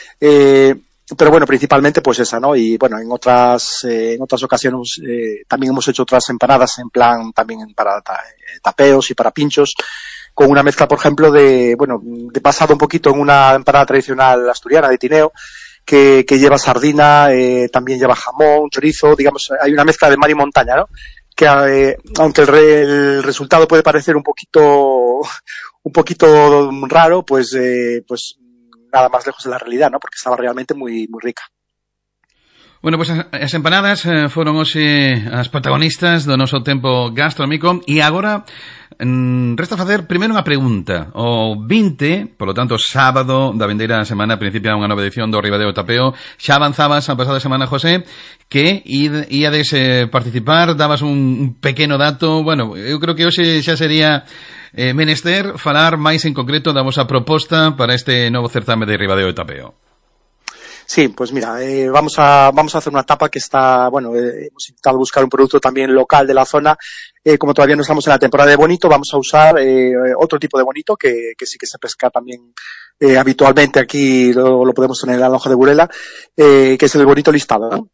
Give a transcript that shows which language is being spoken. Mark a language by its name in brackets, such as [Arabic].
[Spanish] Pero bueno, principalmente pues esa, ¿no? Y bueno, en otras ocasiones también hemos hecho otras empanadas en plan también para tapeos y para pinchos, con una mezcla, por ejemplo, de, bueno, de basado un poquito en una empanada tradicional asturiana de tineo, que lleva sardina, también lleva jamón, chorizo, digamos, hay una mezcla de mar y montaña, ¿no? Que aunque el resultado puede parecer un poquito raro, pues, pues nada más lejos de la realidad, ¿no? Porque estaba realmente muy, muy rica. [Galician] Bueno, pues as empanadas foron hoxe as protagonistas do noso tempo gastronómico e agora resta facer primeiro unha pregunta. O 20, polo tanto, sábado da vindeira semana, principia unha nova edición do Ribadeo Tapeo, xa avanzabas a pasada semana, José, que íades participar, dabas un pequeno dato. Bueno, eu creo que hoxe xa sería menester falar máis en concreto da vosa proposta para este novo certame de Ribadeo Tapeo. [Spanish] Sí, pues mira, vamos a hacer una tapa que está, bueno, hemos intentado buscar un producto también local de la zona. Como todavía no estamos en la temporada de bonito, vamos a usar otro tipo de bonito que sí que se pesca también habitualmente aquí, lo podemos tener en la lonja de Burela, que es el bonito listado, ¿no?